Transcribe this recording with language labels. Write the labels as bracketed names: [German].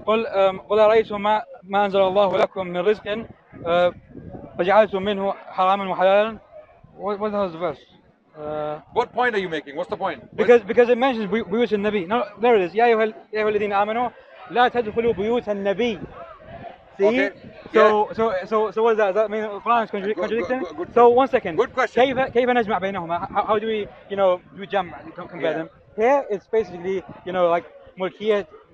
[Arabic] قل رأيتم ما أنزل الله لكم من رزق فجعلتم منه حراما وحلالا. [English] What was the verse? What point are you making? What's the point? Because it mentions بيوت النبي. No, there it is. [Arabic] يا أيها الذين آمنوا لا تدخلوا بيوت النبي. [English] See? Okay. So what does that mean? Quran is contradicting? Good. One second. Good question. [Arabic] كيف نجمع بينهما? [English] How do we, compare them? Here it's basically, like mulkiyah.